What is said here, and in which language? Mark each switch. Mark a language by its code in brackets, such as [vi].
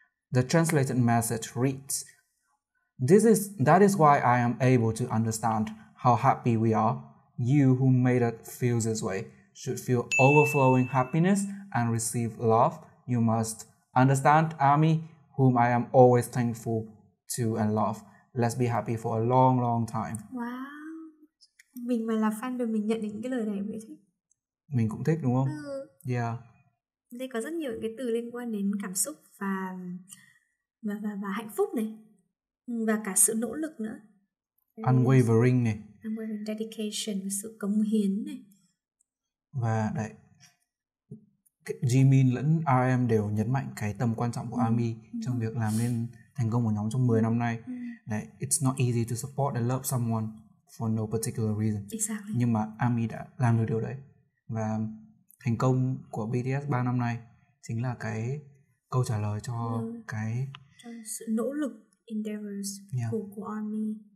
[en] The translated message reads, That is why I am able to understand how happy we are. You who made us feel this way should feel overflowing happiness and receive love. You must understand ARMY, whom I am always thankful to and love. Let's be happy for a long, long time. Wow. [vi] Mình mà là fan rồi mình nhận những cái lời này mình thích. Mình cũng thích đúng không? Đây có rất nhiều cái từ liên quan đến cảm xúc và hạnh phúc này. Và cả sự nỗ lực nữa. Unwavering này. [en] Unwavering dedication, [vi] sự cống hiến này. Và đấy, Jimin lẫn RM đều nhấn mạnh cái tầm quan trọng của ARMY trong việc làm nên thành công của nhóm trong 10 năm nay. [en] Đấy, it's not easy to support and love someone for no particular reason. Exactly. [vi] Nhưng mà ARMY đã làm được điều đấy. Và thành công của BTS 3 năm nay chính là cái câu trả lời cho cái cho sự nỗ lực, endeavors của ARMY.